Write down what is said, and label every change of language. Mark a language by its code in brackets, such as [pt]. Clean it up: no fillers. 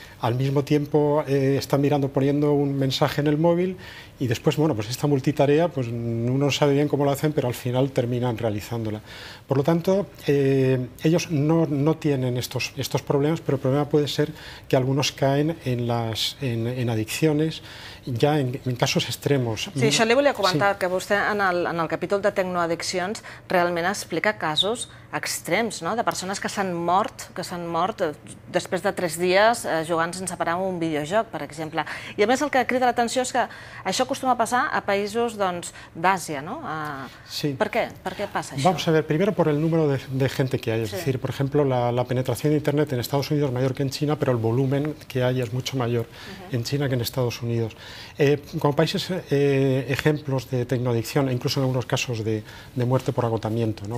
[es] al mismo tiempo está mirando, poniendo un mensaje en el móvil, y después, bueno, pues esta multitarea, pues uno sabe bien cómo lo hacen, pero al final terminan realizándola. Por lo tanto, ellos no tienen estos problemas, pero el problema puede ser que algunos caen en adicciones, ya en casos extremos. [ca] Sí, això li volia comentar, sí. Que vostè en el capítol de Tecnoaddiccions realment explica casos extrems, no? De persones que s'han mort després de 3 dies jugant sense parar un videojoc, per exemple. I a més el que crida l'atenció és que això acostuma a passar a països d'Àsia, no? Sí. Per què? Per què passa això? [es] Vamos a ver, primero por el número de gente que hay, es sí. decir, por ejemplo, la penetración de internet en Estados Unidos es mayor que en China, pero el volumen que hay es mucho mayor en China que en Estados Unidos. Como países ejemplos de tecnoadicción, incluso en algunos casos de muerte por agotamiento, ¿no?